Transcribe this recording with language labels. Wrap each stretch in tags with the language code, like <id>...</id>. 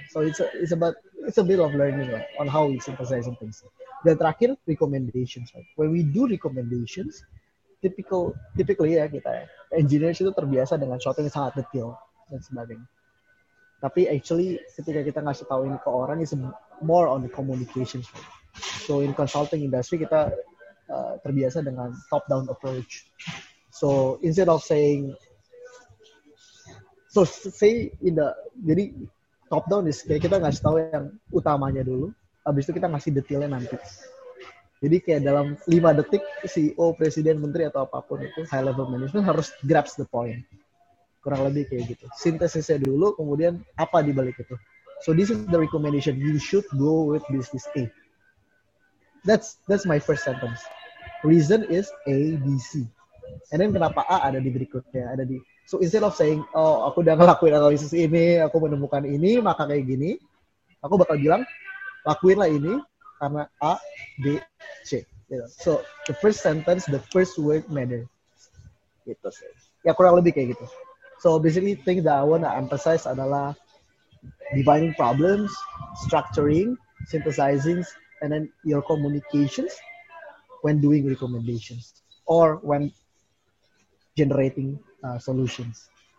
<en>So it's a bit of learning right, on how we synthesize things.</en> <id>Dan terakhir recommendations.</id> <en>Right? When we do recommendations, typically</en> <id>ya kita ya, engineers itu terbiasa dengan suatu yang sangat detail dan sebagainya. Tapi actually ketika kita ngasih tahu ini ke orang,</id> <en>it's more on the communications. So in consulting industry</en> <id>kita terbiasa dengan</id> <en>top down approach. So instead of saying, so say in the,</en> <id>jadi top down is kayak kita ngasih tahu yang utamanya dulu, abis itu kita ngasih detailnya nanti. Jadi kayak dalam 5 detik CEO, presiden, menteri atau apapun itu high level management harus</id> <en>grabs the point.</en> <id>Kurang lebih kayak gitu. Sintesisnya dulu, kemudian apa di balik itu.</id> <en>So this is the recommendation. You should go with business A. That's my first sentence. Reason is A, B, C. And then</en> <id>kenapa A ada di berikutnya. Ada di.</id> <en>So instead of saying,</en> <id>oh aku udah ngelakuin analisis ini, aku menemukan ini, maka kayak gini. Aku bakal bilang, lakuinlah ini karena A, B, C. Gitu.</id> <en>So the first sentence, the first word matter.</en> <id>Gitu sih. Ya kurang lebih kayak gitu.</id> <en>So basically, things that I want to emphasize</en> <id>adalah</id> <en>defining problems, structuring, synthesizing, and then your communications when doing recommendations or when generating solutions.</en>